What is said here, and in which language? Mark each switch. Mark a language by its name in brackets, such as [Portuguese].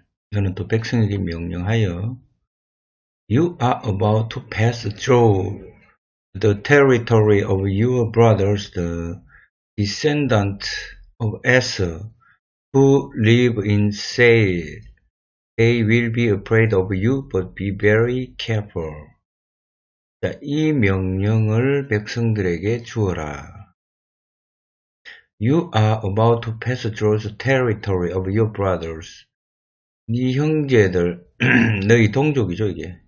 [Korean] 너는 또 백성에게 명령하여. [English] You are about to pass through the territory of your brothers, the descendants of Esau, who live in Seir. They will be afraid of you, but be very careful. [Korean] 자, 이 명령을 백성들에게 주어라. [English] You are about to pass through the territory of your brothers. [Korean] 네 형제들, 너희 동족이죠, 이게.